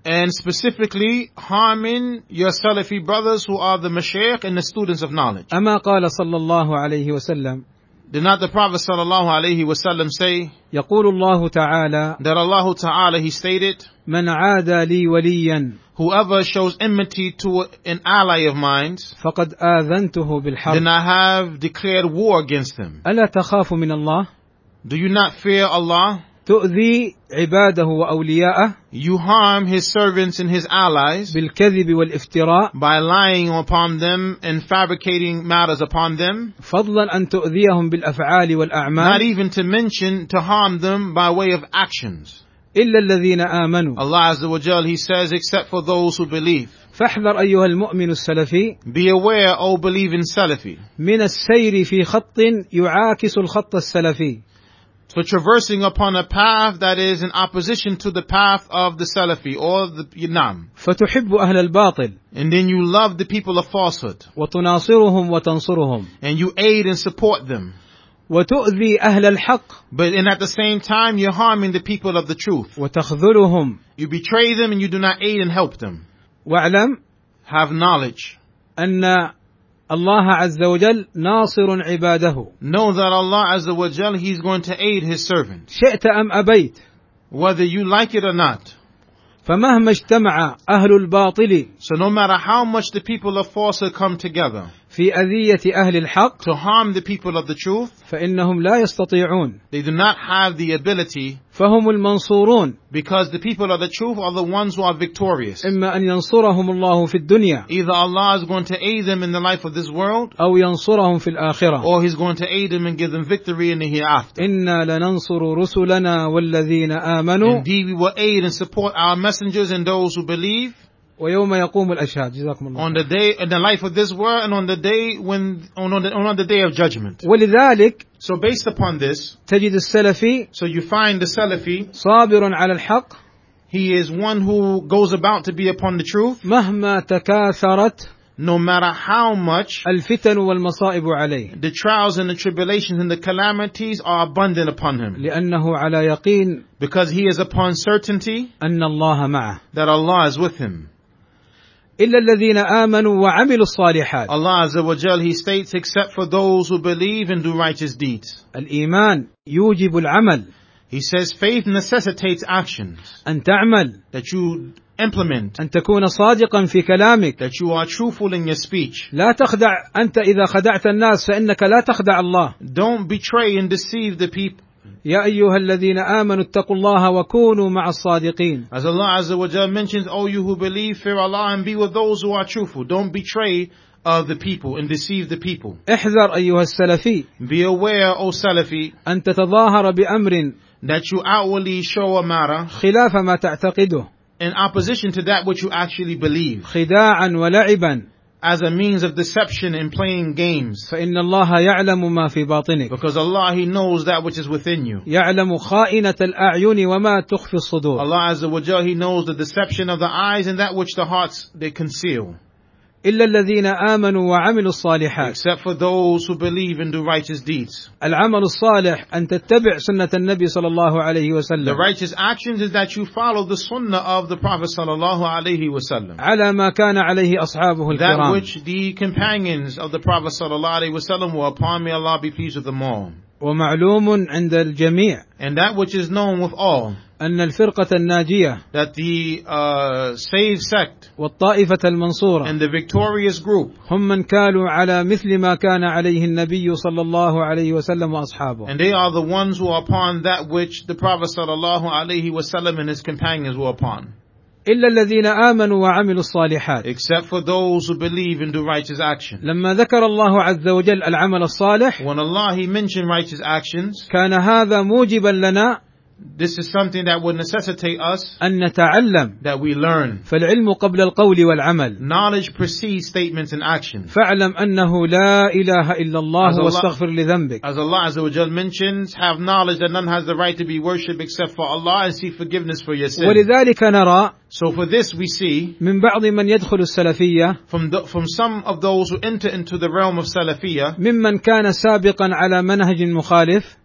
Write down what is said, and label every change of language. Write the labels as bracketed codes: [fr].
[en] And specifically harming your Salafi brothers who are the mashayikh and the students of knowledge. [ar] أما قال صلى الله عليه وسلم. [en] Did not the Prophet [ar] صلى الله عليه وسلم [en] say. [ar] يقول الله تعالى. [en] That Allah تعالى he stated. [ar] من عادى لي وليا. [en] Whoever shows enmity to an ally of mine, [ar] فقد آذنته بالحرب. [en] Then I have declared war against them. [ar] ألا تخاف من الله؟ [en] Do you not fear Allah? [ar] تؤذي عباده وأولياءه. [en] You harm his servants and his allies. [ar] بالكذب والافتراء. [en] By lying upon them and fabricating matters upon them. [ar] فضلا أن تؤذيهم بالأفعال والأعمال. [en] Not even to mention to harm them by way of actions. [ar] إلا الذين آمنوا. [en] Allah Azza wa Jal, He says, except for those who believe. [ar] فاحذر أيها المؤمن السلفي. [en] Be aware, O believing Salafi. [ar] من السير في خط يعاكس الخط السلفي. [en] For traversing upon a path that is in opposition to the path of the Salafi or the Imam. [ar] فتحب أهل الباطل. [en] And then you love the people of falsehood. [ar] وتناصرهم وتنصرهم. [en] And you aid and support them. [ar] وتؤذي أهل الحق. [en] But in at the same time you're harming the people of the truth. [ar] وتخذلهم. [en] You betray them and you do not aid and help them. [ar] واعلم. [en] Have knowledge. [ar] أن الله عز وجل ناصر عباده. [en] Know that Allah [ar] عز وجل [en] he's going to aid his servant. [ar] شئت أم أبيت. [en] Whether you like it or not. [ar] فمهما اجتمع أهل الباطل. [en] So no matter how much the people of falsehood come together. [ar] في أذية أهل الحق. [en] To harm the people of the truth. [ar] فإنهم لا يستطيعون. [en] They do not have the ability. [ar] فهم المنصورون. [en] Because the people of the truth are the ones who are victorious. [ar] إما أن ينصرهم الله في الدنيا. [en] Either Allah is going to aid them in the life of this world. [ar] أو ينصرهم في الآخرة. [en] Or He's going to aid them and give them victory in the hereafter. [ar] إنا لننصر رسلنا والذين آمنوا. [en] Indeed we will aid and support our messengers and those who believe. [ar] ويوم يقوم الأشهاد جزاكم الله. [en] On the day in the life of this world and on the day when on the day of judgment. [ar] ولذلك. [en] So based upon this. [ar] تجد السلفي. [en] So you find the Salafi. [ar] صابر على الحق. [en] He is one who goes about to be upon the truth. [ar] مهما تكاثرت. [en] No matter how much. [ar] الفتن والمصائب عليه. [en] The trials and the tribulations and the calamities are abundant upon him. [ar] لأنه على يقين. [en] Because he is upon certainty. [ar] أن الله معه. [en] That Allah is with him. [ar] إلا الذين آمنوا وعملوا الصالحات. [en] Allah Azza wa Jal, He states, except for those who believe and do righteous deeds. [ar] الإيمان يوجب العمل. [en] He says, faith necessitates actions. [ar] أن تعمل. [en] That you implement. [ar] أن تكون صادقا في كلامك. [en] That you are truthful in your speech. [ar] لا تخدع أنت إذا خدعت الناس فإنك لا تخدع الله. [en] Don't betray and deceive the people. [ar] يا أيها الذين آمنوا اتقوا الله وكونوا مع الصادقين. [en] As Allah Azza wa Jalla mentions, O you who believe, fear Allah and be with those who are truthful. Don't betray the people and deceive the people. [ar] احذر أيها السلفي. [en] Be aware, O Salafi. [ar] أن تتظاهر بأمر. [en] That you outwardly show a matter. [ar] خلاف ما تعتقده. [en] In opposition to that which you actually believe. [ar] خداعا ولعبا. [en] As a means of deception and playing games. [ar] فإن الله يعلم ما في باطنك. [en] Because Allah He knows that which is within you. [ar] يعلم خائنة الأعين وما تخفي الصدور. [en] Allah Azza wa Jalla He knows the deception of the eyes and that which the hearts they conceal. [ar] إلا الذين آمنوا وعملوا الصالحات. [en] Except for those who believe and do righteous deeds. [ar] العمل الصالح أن تتبع سنة النبي صلى الله عليه وسلم. [en] The righteous actions is that you follow the sunnah of the Prophet [ar] صلى الله عليه وسلم. على ما كان عليه أصحابه الكرام. [en] That which the companions of the Prophet [ar] صلى الله عليه وسلم [en] were upon, may Allah be pleased with them all. [ar] ومعلوم عند الجميع. [en] And that which is known with all. [ar] أن الفرقة الناجية. [en] That the saved sect. [ar] والطائفة المنصورة. [en] And the victorious group. [ar] هم من كانوا على مثل ما كان عليه النبي صلى الله عليه وسلم وأصحابه. [en] And they are the ones who are upon that which the Prophet [ar] صلى الله عليه وسلم [en] and his companions were upon. [ar] إلا الذين آمنوا وعملوا الصالحات. [en] Except for those who believe and do righteous action. [ar] لما ذكر الله عز وجل العمل الصالح. [en] When Allah He mentioned righteous actions. [ar] كان هذا موجبا لنا. [en] This is something that would necessitate us. [ar] أن نتعلم. [en] That we learn. [ar] فالعلم قبل القول والعمل. [en] Knowledge precedes statements and actions. [ar] فاعلم أنه لا إله إلا الله واستغفر لذنبك. [en] As Allah [ar] عز وجل [en] mentions, have knowledge that none has the right to be worshipped except for Allah and seek forgiveness for your sins. [ar] ولذلك نرى. [en] So for this we see [ar] من بعض من يدخل السلفية [en] from some of those who enter into the realm of سلفية [ar] ممن كان سابقا على منهج مخالف